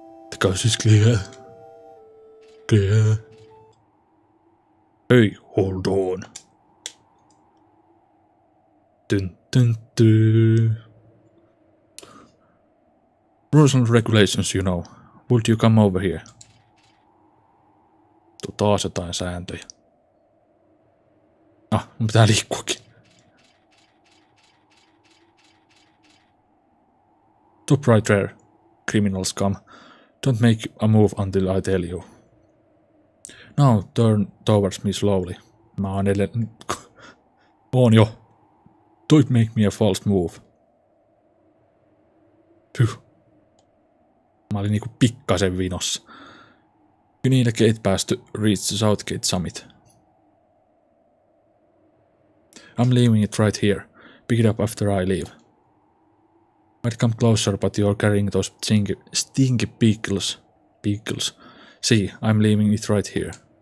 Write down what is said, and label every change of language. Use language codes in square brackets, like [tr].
[en] The coast is clear. Clear. Hey, hold on. Dun, dun, dun. Rules and regulations, you know. Would you come over here? [fi] Tuu taas jotain sääntöjä. Ah, mun pitää liikkuakin. [en] Stop right there, criminal scum. Don't make a move until I tell you. Now turn towards me slowly. [fi] Mä oon edelleen... oon jo. [en] Don't make me a false move. Pyh. [fi] Mä olin niinku pikkasen vinossa. [en] You need a gate pass to reach the Southgate summit. I'm leaving it right here. pick it up after I leave. Might come closer, but you're carrying those stinky pickles. Pickles. See, I'm leaving it right here.